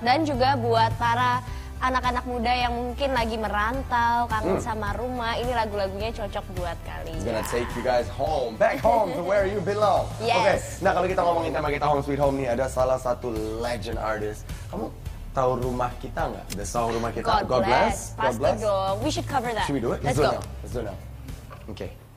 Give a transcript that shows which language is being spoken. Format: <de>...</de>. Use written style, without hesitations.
<id>Dan juga buat para anak-anak muda yang mungkin lagi merantau, kangen sama rumah, ini lagu-lagunya cocok buat kalian.</id> <en>Gonna take you guys home, back home to where you belong. Yes.</en> <id>Okay. Nah, kalau kita ngomongin tema kita Home Sweet Home nih, ada salah satu</id> <en>legend artist.</en> <id>Kamu tahu Rumah Kita nggak?</id> <en>The song Rumah Kita. God bless. God bless.</en> <id>Pasti dong.</id> <en>We should cover that. Should we do it? Let's go. Now. Let's do it now. Okay.</en>